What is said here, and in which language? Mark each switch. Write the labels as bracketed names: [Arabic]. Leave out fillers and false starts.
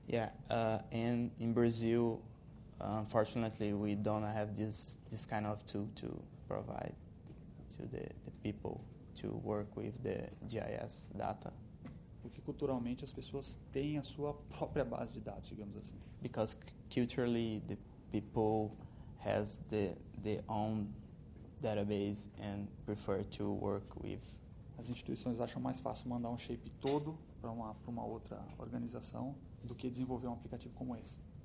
[English] Yeah, and in Brazil, unfortunately, we don't have this kind of tool to provide to the people to work with the GIS data. [Portuguese] Porque culturalmente as pessoas têm a sua própria base de dados, digamos assim. [English] Because culturally, the people has the own database and prefer to work with. [Portuguese] As instituições acham mais fácil mandar um shape todo para uma outra organização do que desenvolver um aplicativo como esse.